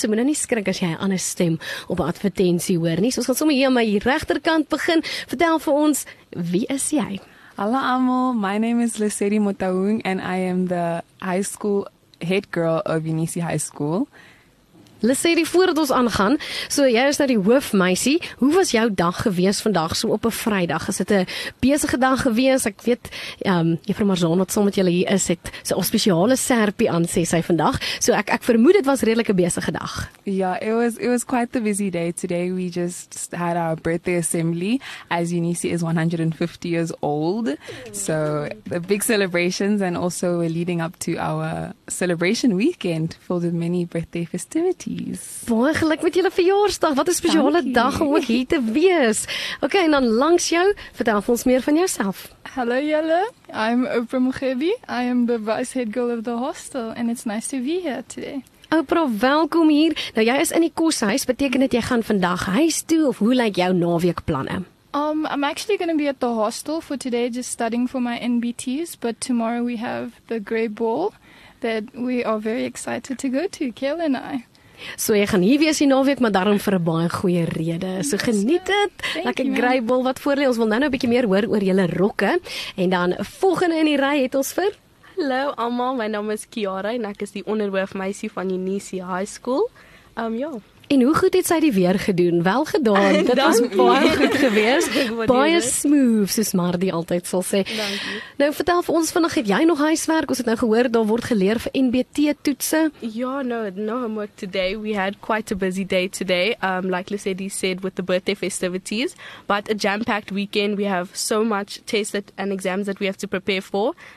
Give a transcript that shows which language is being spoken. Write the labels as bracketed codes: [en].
[af] So moet nou nie skrik as jy 'n ander stem op 'n advertensie hoor nie. So ons gaan sommer hier aan my regterkant begin. Vertel vir ons, wie is jy? Hallo almal, [en] my name is Lesedi Motaung and I am the high school head girl of Unisi High School. [af] Lesedi, voordat ons aangaan, so jy is nou die hoofmeisie, hoe was jou dag gewees vandag, so op 'n Vrydag? Is dit 'n besige dag gewees? Ek weet, juffrou Marzon, wat saam met julle hier is, het so 'n spesiale serpie aan, sê sy vandag. So ek vermoed dit was redelik 'n besige dag. [en] Ja, it was quite the busy day today. We just had our birthday assembly, as Unisi is 150 years old. So the big celebrations and also we're leading up to our celebration weekend filled with many birthday festivities. [af] Baie geluk met julle verjaarsdag. Wat 'n spesiale dag om ook hier te wees. OK, en dan langs jou, vertel ons meer van jouself. Hallo julle. [en] I'm Oprah Mugabe. I am the vice head girl of the hostel and it's nice to be here today. [af] Oprah, welkom hier. Nou jy is in die koshuis, beteken dit jy gaan vandag huis toe of hoe lyk jou naweek planne? [en] I'm actually going to be at the hostel for today just studying for my NBTs, but tomorrow we have the Grey Ball that we are very excited to go to, Kiel and I. [af] So jy gaan hier wees die naweek, maar daarom vir 'n baie goeie rede. So geniet dit. Lekker greybol wat voor lê. Ons wil nou 'n bietjie meer hoor oor julle rokke. En dan volgende in die ry het ons vir Hallo almal, my naam is Kiara en ek is die onderhoofmeisie van Unisi High School. En hoe goed het sy die weer gedoen? Wel gedaan, dit was baie goed geweest. Baie smooth, soos Mardi altyd sal sê. Dankie. Nou vertel vir ons, vandag het jy nog huiswerk? Ons het nou gehoor, daar word geleer vir NBT-toetse. [en] Ja, no homework today. We had quite a busy day today, like Lucidi said, with the birthday festivities. But a jam-packed weekend, we have so much tests and exams that we have to prepare for.